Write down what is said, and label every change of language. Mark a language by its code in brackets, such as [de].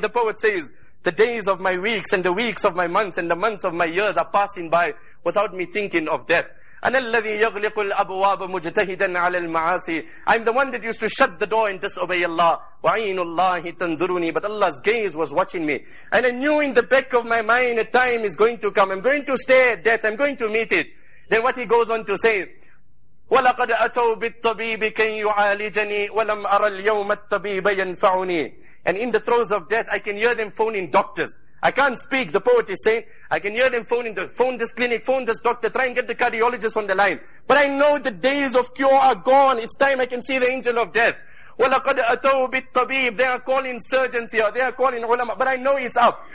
[en] The poet says, the days of my weeks and the weeks of my months and the months of my years are passing by without me thinking of death. [ar] أَنَا الَّذِي يَغْلِقُ الْأَبْوَابَ مُجْتَهِدًا عَلَى الْمَعَاصِ. [en] I'm the one that used to shut the door and disobey Allah. [ar] وَعِينُ اللَّهِ تَنْذُرُنِي. [en] But Allah's gaze was watching me. And I knew in the back of my mind a time is going to come. I'm going to stay at death. I'm going to meet it. Then what he goes on to say, [ar] وَلَقَدْ أَتَوْ بِالطَّبِيبِ كَيْ يُعَالِجَنِي وَلَمْ أَرَى الْيَوْمَ الطَّبِيبَ يَنْفَعُنِي. [en] And in the throes of death, I can hear them phoning doctors. I can't speak, the poet is saying. I can hear them phone this clinic, phone this doctor, try and get the cardiologist on the line. But I know the days of cure are gone. It's time I can see the angel of death. [ar] وَلَقَدْ أَتَوْ بِالطَّبِيبِ. [en] They are calling surgeons here, they are calling ulama, but I know it's up.